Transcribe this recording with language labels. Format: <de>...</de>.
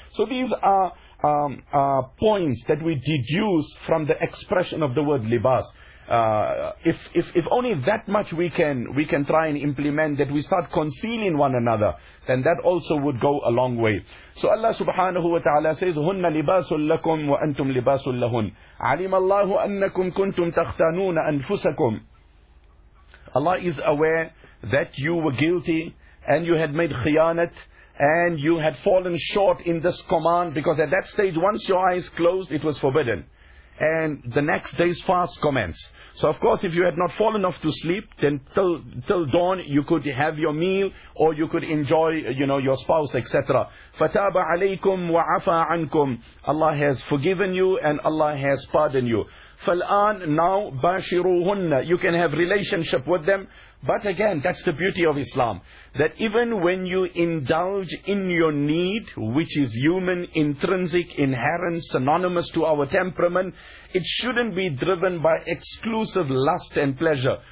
<en>So these are points that we deduce from the expression of the word libas. If only that much we can try and implement, that we start concealing one another, then that also would go a long way. So Allah subhanahu wa ta'ala says,</en> <ar>هن لباس لكم وأنتم لباس لهن. علم الله أنكم كنتم تختانون أنفسكم.</ar> <en>Allah is aware that you were guilty and you had made khiyanat and you had fallen short in this command, because at that stage, once your eyes closed, it was forbidden. And the next day's fast commenced. So of course, if you had not fallen off to sleep, then till dawn you could have your meal or you could enjoy, you know, your spouse, etc.</en> <ar>فَتَابَ عَلَيْكُمْ وَعَفَى عَنْكُمْ.</ar> <en>Allah has forgiven you and Allah has pardoned you.</en> <ar>فَالْآنْ</ar> <en>now</en> <ar>بَاشِرُوهُنَّ.</ar> <en>You can have relationship with them. But again, that's the beauty of Islam. That even when you indulge in your need, which is human, intrinsic, inherent, synonymous to our temperament, it shouldn't be driven by exclusive lust and pleasure.</en>